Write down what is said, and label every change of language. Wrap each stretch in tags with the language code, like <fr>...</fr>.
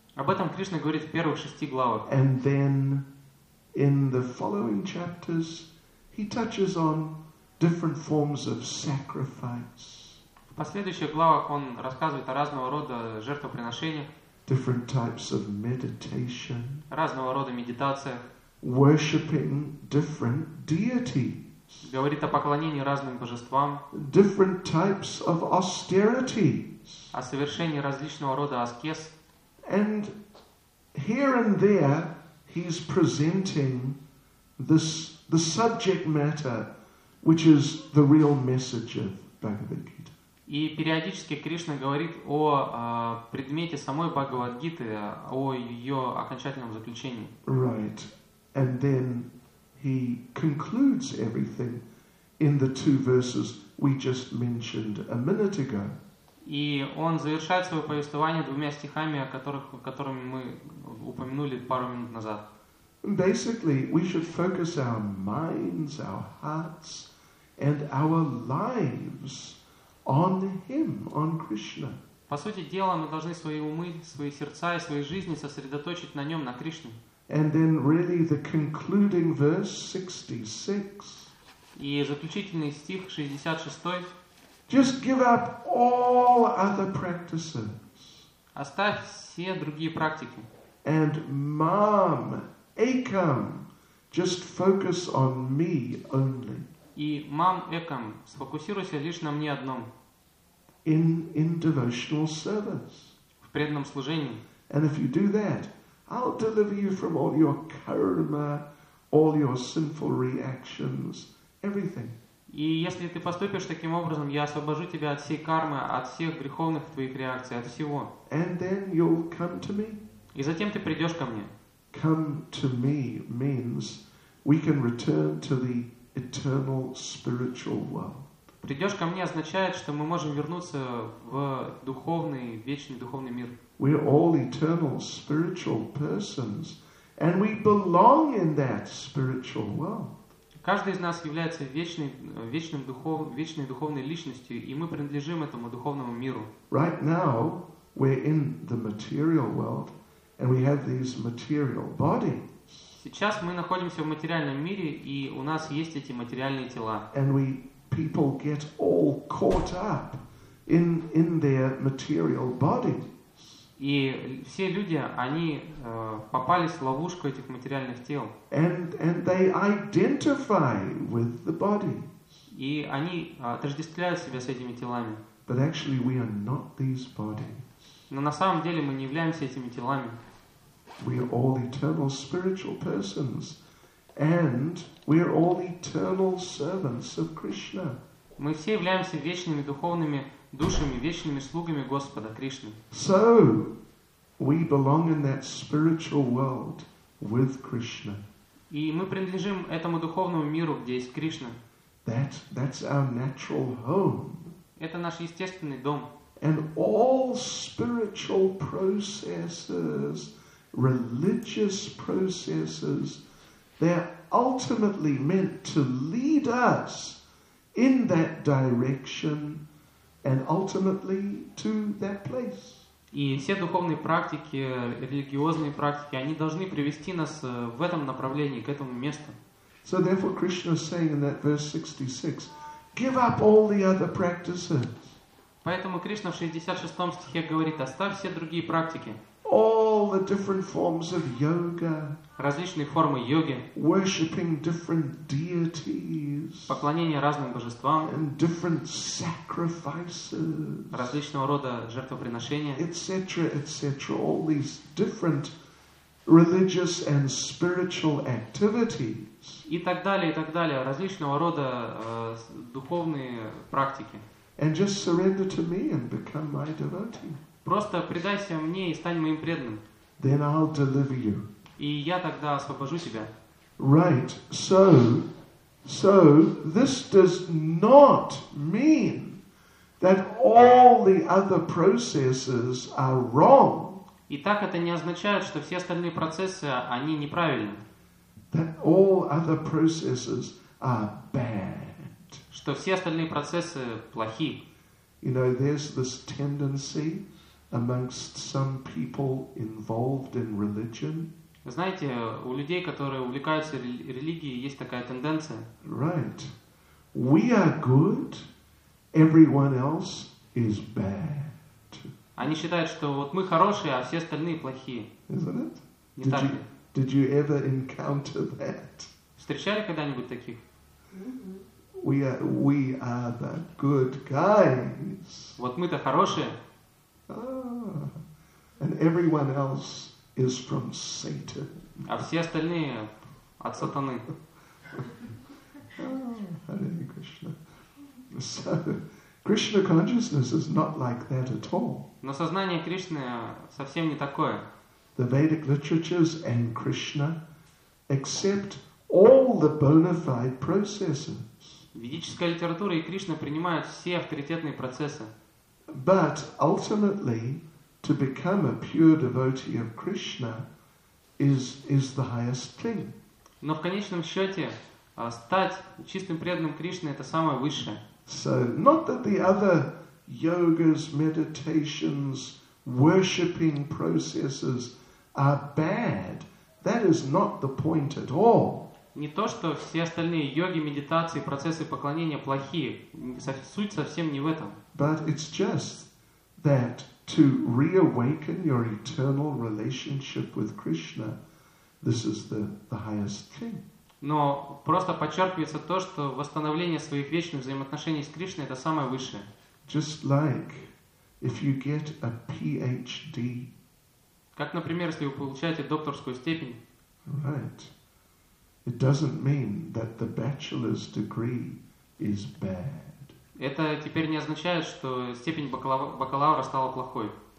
<ru>Об этом Кришна говорит в первых шести главах.</ru> <en>And then in the following chapters he touches on different forms of sacrifice.</en> <ru>В последующих главах он рассказывает о разного рода жертвоприношениях.</ru> <en>Different types of meditation.</en> <ru>Разного рода медитация.</ru> <en>Worshipping different deities.</en> <ru>Говорит о поклонении разным божествам.</ru> <en>Different types of austerities.</en> <ru>О совершении различного рода аскез.</ru> <en>And here and there he's presenting the subject matter, which is the real message of Bhagavad Gita.</en> <ru>И периодически Кришна говорит о предмете самой Бхагавад Гиты, о ее окончательном заключении.</ru> <en>Right. And then he concludes everything in the two verses we just mentioned a minute ago.</en> <ru>И он завершает свое повествование двумя стихами, которыми мы упомянули пару минут назад.</ru> <en>Basically, we should focus our minds, our hearts, and our lives on him, on Krishna.</en> <ru>По сути дела, мы должны свои умы, свои сердца и свои жизни сосредоточить на нем, на Кришне.</ru> <en>And then really the concluding verse 66.</en> <ru>И заключительный стих 66.</ru> <en>Just give up all other practices.</en> <ru>Оставь все другие практики.</ru> <en>And mam ekam, just focus on me only.</en> <ru>И мам экам, сфокусируйся лишь на мне одном.</ru> <en>In devotional service.</en> <ru>В преданном служении.</ru> <en>And if you do that, I'll deliver you from all your karma, all your sinful reactions, everything.</en> <ru>И если ты поступишь таким образом, я освобожу тебя от всей кармы, от всех греховных твоих реакций, от всего.</ru> <en>And then you'll come to me.</en> <ru>И затем ты придешь ко мне.</ru> <en>Come to me means we can return to the eternal spiritual world.</en> <ru>Придешь ко мне означает, что мы можем вернуться в духовный, вечный духовный мир.</ru> <en>We're all eternal spiritual persons, and we belong in that spiritual world.</en> <ru>Каждый из нас является вечной духовной личностью, и мы принадлежим этому духовному миру.</ru> <en>Right now, we're in the material world, and we have these material bodies.</en> <ru>Сейчас мы находимся в материальном мире, и у нас есть эти материальные тела.</ru> <en>And people get all caught up in their material bodies.</en> <ru>И все люди, они попались в ловушку этих материальных тел.</ru> <en>And they identify with the bodies.</en> <ru>И они отождествляют себя с этими телами.</ru> <en>But actually we are not these bodies.</en> <ru>Но на самом деле мы не являемся этими телами.</ru> <en>We are all eternal spiritual persons. And we are all eternal servants of Krishna.</en> <ru>Мы все являемся вечными духовными душами, вечными слугами Господа Кришны.</ru> <en>So, we belong in that spiritual world with Krishna.</en> <ru>И мы принадлежим этому духовному миру, где есть Кришна.</ru> <en>That's our natural home.</en> <ru>Это наш естественный дом.</ru> <en>And all spiritual processes, religious processes, they're ultimately meant to lead us in that direction. And ultimately to that place.</en> <ru>И все духовные практики, религиозные практики, они должны привести нас в этом направлении, к этому месту.</ru> <en>So therefore Krishna is saying in that verse 66, give up all the other practices.</en> <ru>Поэтому Кришна в 66 стихе говорит: оставь все другие практики.</ru> <en>All the different forms of yoga.</en> <ru>Различные формы йоги.</ru> <en>Worshipping different deities.</en> <ru>Поклонение разным божествам.</ru> <en>And different sacrifices.</en> <ru>Различного рода жертвоприношения.</ru> <en>Etc. etc. All these different religious and spiritual activities.</en> <ru>И так далее, и так далее. Различного рода духовные практики.</ru> <en>And just surrender to me and become my devotee.</en> <ru>Просто предайся мне и стань моим преданным.</ru> <en>Then I'll deliver you.</en> <ru>И я тогда освобожу тебя.</ru> <en>Right. So this does not mean that all the other processes are wrong.</en> <ru>И так это не означает, что все остальные процессы, они неправильны.</ru> <en>That all other processes are bad.</en> <ru>Что все остальные процессы плохи.</ru> <en>You know, there's this tendency amongst some people involved in religion.</en> <ru>Знаете, у людей, которые увлекаются религией, есть такая тенденция.</ru> <en>Right. We are good, everyone else is bad.</en> <ru>Они считают, что вот мы хорошие, а все остальные плохие.</ru> <en>Isn't it?</en> <ru>Не так ли?</ru> <en>Did you ever encounter that?</en> <ru>Встречали когда-нибудь таких?</ru> <en>We are the good guys.</en> <ru>Вот мы-то хорошие.</ru> <en>And everyone else is from Satan.</en> <ru>А все остальные от сатаны.</ru> <en>Hare Krishna. So, Krishna consciousness is not like that at all.</en> <ru>Но сознание Кришны совсем не такое.</ru> <en>The Vedic literatures and Krishna accept all the bona fide processes.</en> <ru>Ведическая литература и Кришна принимают все авторитетные процессы.</ru> <en>But ultimately, to become a pure devotee of Krishna is the highest thing.</en> <ru>Но в конечном счете стать чистым преданным Кришне это самое высшее.</ru> <en>So not that the other yogas, meditations, worshipping processes are bad. That is not the point at all.</en> <ru>Не то, что все остальные йоги, медитации, процессы поклонения плохие. Суть совсем не в этом.</ru> <en>But it's just that to reawaken your eternal relationship with Krishna, this is the highest thing.</en> <ru>Но просто подчеркивается то, что восстановление своих вечных взаимоотношений с Кришной – это самое высшее.</ru> <en>Just like if you get a PhD.</en> <ru>Как, например, если вы получаете докторскую степень.</ru> <en>Right. It doesn't mean that the bachelor's degree is bad.</en> <ru>Это теперь не означает, что степень бакалавра стала плохой.</ru>